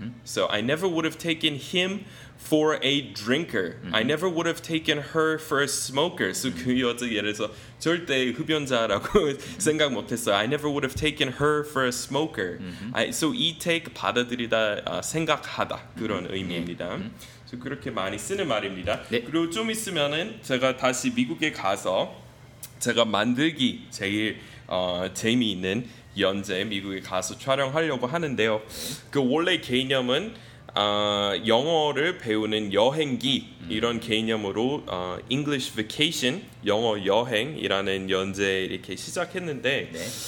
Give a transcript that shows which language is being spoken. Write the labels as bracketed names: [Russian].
[English] So I never would have taken him for a drinker. I never would have taken her for a smoker. [Korean] So 그 여자 예를 들어서 절대 흡연자라고 생각 못했어요. [English] I never would have taken her for a smoker. [Korean] So 이 take 받아들이다 생각하다 그런 의미입니다. 그래서 그렇게 많이 쓰는 말입니다. 네. 그리고 좀 있으면은 제가 다시 미국에 가서 제가 만들기 제일 재미있는 연재 미국에 가서 촬영하려고 하는데요. 그 원래 개념은 영어를 배우는 여행기 이런 개념으로 English Vacation 영어 여행이라는 연재 이렇게 시작했는데 네.